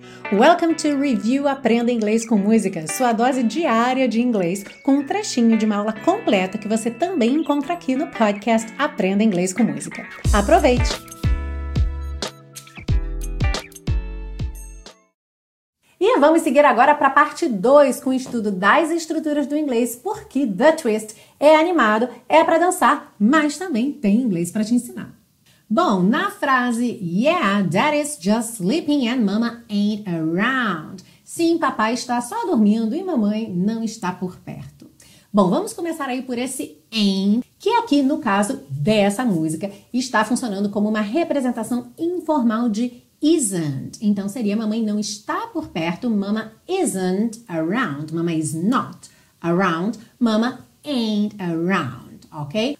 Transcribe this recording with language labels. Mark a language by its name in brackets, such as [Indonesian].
[English] Welcome to [Portuguese] Review Aprenda Inglês com Música, sua dose diária de inglês com um trechinho de uma aula completa que você também encontra aqui no podcast Aprenda Inglês com Música. Aproveite! E vamos seguir agora para a parte 2 com o estudo das estruturas do inglês, porque The Twist é animado, é para dançar, mas também tem inglês para te ensinar. Bom, na frase, [English] yeah, daddy's just sleeping and mama ain't around. [Portuguese] Sim, papai está só dormindo e mamãe não está por perto. Bom, vamos começar aí por esse ain't, que aqui no caso dessa música está funcionando como uma representação informal de isn't. Então seria mamãe não está por perto, [English] mama isn't around, mama is not around, mama ain't around. [Portuguese] Ok?